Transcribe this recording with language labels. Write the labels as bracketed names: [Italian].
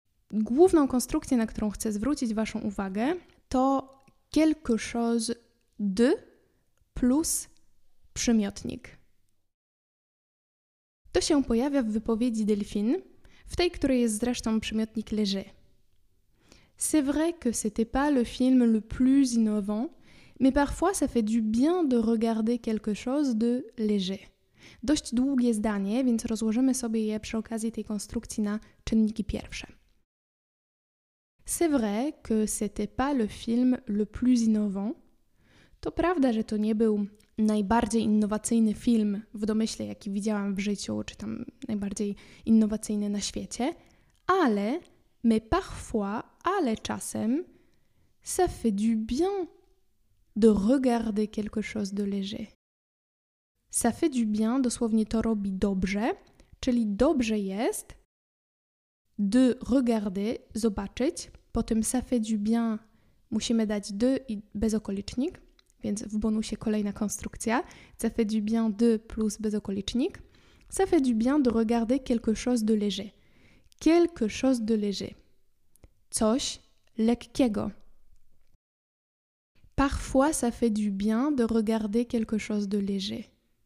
[Polish] Główną konstrukcję, na którą chcę zwrócić Waszą uwagę, to [French] quelque chose de plus [Polish] przymiotnik. To się pojawia w wypowiedzi Delphine, w tej, której jest zresztą przymiotnik léger. [French] C'est vrai que c'était pas le film le plus innovant, mais parfois ça fait du bien de regarder quelque chose de léger. [Polish] Dość długie zdanie, więc rozłożymy sobie je przy okazji tej konstrukcji na czynniki pierwsze. [French] C'est vrai que c'était pas le film le plus innovant. [Polish] To prawda, że to nie był najbardziej innowacyjny film w domyśle, jaki widziałam w życiu, czy tam najbardziej innowacyjny na świecie, ale, [French] mais parfois, [Polish] ale czasem, [French] ça fait du bien de regarder quelque chose de léger. Ça fait du bien, [Polish] dosłownie to robi dobrze, czyli dobrze jest [French] de regarder, [Polish] zobaczyć, potem [French] ça fait du bien, [Polish] musimy dać de i bezokolicznik, więc w bonusie kolejna konstrukcja. [French] Ça fait du bien de plus [Polish] bezokolicznik. [French] Ça fait du bien de regarder quelque chose de léger. Quelque chose de léger. [Polish] Coś lekkiego. [French] Parfois ça fait du bien de regarder quelque chose de léger.